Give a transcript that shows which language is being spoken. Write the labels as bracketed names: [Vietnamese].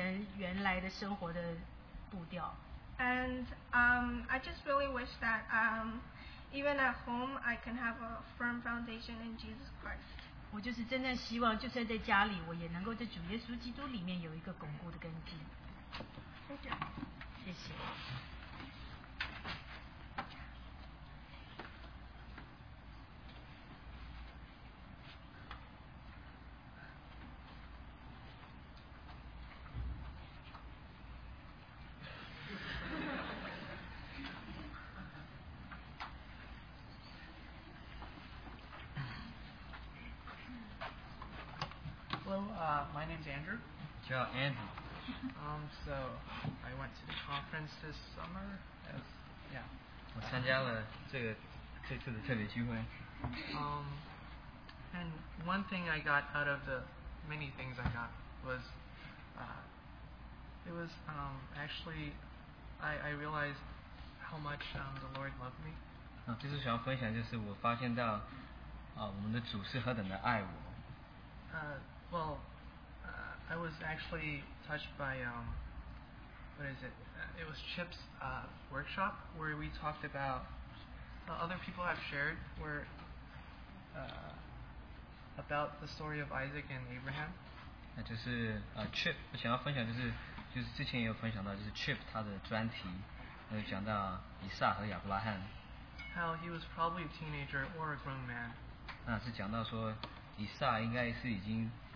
[Chinese] 那当我回家的时候，我又回到了我以前原来的生活的步调。 [English] And I just really wish that even at home, I can have a firm foundation in Jesus Christ. [Chinese] 我就是真正希望，就算在家里，我也能够在主耶稣基督里面有一个巩固的根基。 [English] Thank you. [Chinese] 谢谢。 [English] My name's Andrew. [Italian] Ciao, Andrew. [English] So I went to the conference this summer. As, yeah. [Chinese] 我参加了这个这次的特别聚会。 [English] And one thing I got out of the many things I got was, it was actually, I realized how much the Lord loved me. [Chinese] 这次想要分享就是我发现到，我们的主是何等的爱我。 [English] Well. I was actually touched by what is it? It was Chip's workshop where we talked about other people have shared were about the story of Isaac and Abraham. [Chinese] 那就是 Chip 我想要分享就是之前也有分享到就是 Chip 他的专题，那就讲到以撒和亚伯拉罕。 [English] How he was probably a teenager or a grown man. [Chinese] 那是讲到说以撒应该是已经。